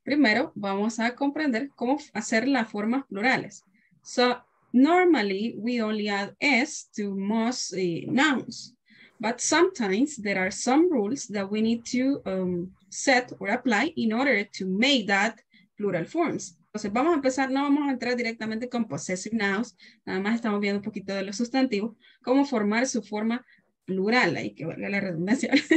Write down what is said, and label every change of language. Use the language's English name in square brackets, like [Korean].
[Spanish] Primero vamos a comprender cómo hacer las formas plurales. [English] So normally we only add s to most nouns, but sometimes there are some rules that we need to set or apply in order to make that plural forms. [Spanish] Entonces vamos a empezar, no vamos a entrar directamente con possessive nouns, nada más estamos viendo un poquito de los sustantivos, cómo formar su forma plural, ahí que valga la redundancia.